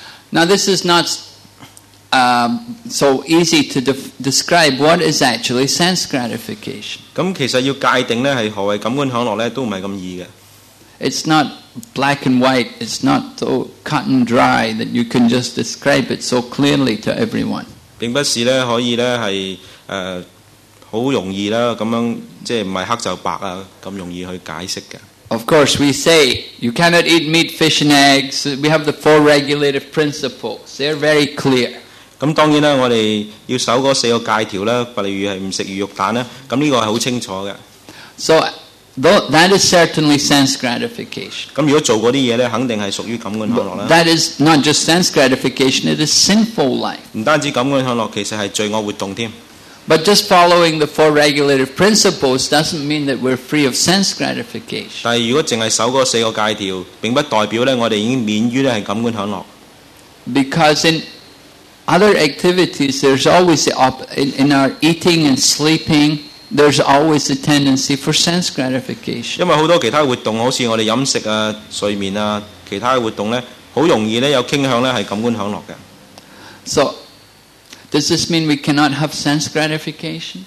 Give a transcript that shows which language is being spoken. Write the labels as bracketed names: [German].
[English] Now this is not so easy to describe what is actually sense gratification. [Cantonese] 咁其實要界定咧，係何為感官享樂咧，都唔係咁易嘅。 [English] It's not black and white. It's not so cut and dry that you can just describe it so clearly to everyone. [Cantonese] 並不是咧，可以咧係好容易啦，咁樣即係唔係黑就白啊，咁容易去解釋嘅。 [English] Of course, we say you cannot eat meat, fish, and eggs. We have the four regulative principles. They're very clear. [Cantonese] 咁當然啦，我哋要守嗰四個戒條啦，例如係唔食魚肉蛋啦。咁呢個係好清楚嘅。 [English] So that is certainly sense gratification. [Cantonese] 咁如果做嗰啲嘢咧，肯定係屬於感官享樂啦。 [English] That is not just sense gratification. It is sinful life. [Cantonese] 唔單止感官享樂，其實係罪惡活動添。 [English] But just following the four regulative principles doesn't mean that we're free of sense gratification. [Cantonese] 但如果只係守嗰四個戒條，並不代表咧我哋已經免於咧係感官享樂。 [English] Because in other activities, there's always in our eating and sleeping, there's always a tendency for sense gratification. [Cantonese] 因為好多其他活動，好似我哋飲食啊、睡眠啊，其他活動咧，好容易咧有傾向咧係感官享樂嘅。 [English] So, does this mean we cannot have sense gratification?